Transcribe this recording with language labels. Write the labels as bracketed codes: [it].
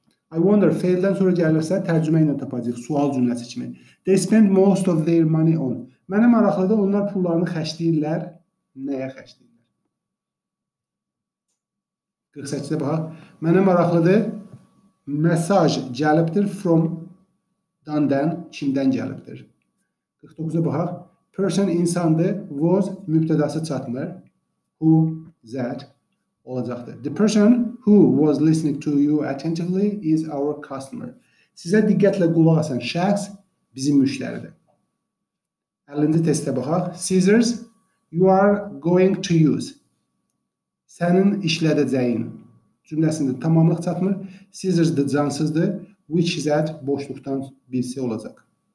[en] I wonder, [az] faildən sonra gəlirsə tərcümə ilə tapacaq. Sual cümləsi kimi. [en] They spend most of their money on. [az] Mənə maraqlıdır, onlar pullarını xərcləyirlər. Nəyə xərcləyirlər? 48-də baxaq. Mənə maraqlıdır, mesaj gəlibdir from dandan, kimdən gəlibdir. 49-da baxaq. Person insandır, was mübtədası çatmır. Who, that olacaqdır. [en] The person who was listening to you attentively is our customer. [az] Sizə diqqətlə qulaq asan şəxs bizim müştəridir. 50-ci testə baxaq. [en] Scissors you are going to use. [az] Sənin işlədəcəyin cümləsində tamamlıq çatmır. Scissors da cansızdır. Which is at boşluqdan birisi olacaq.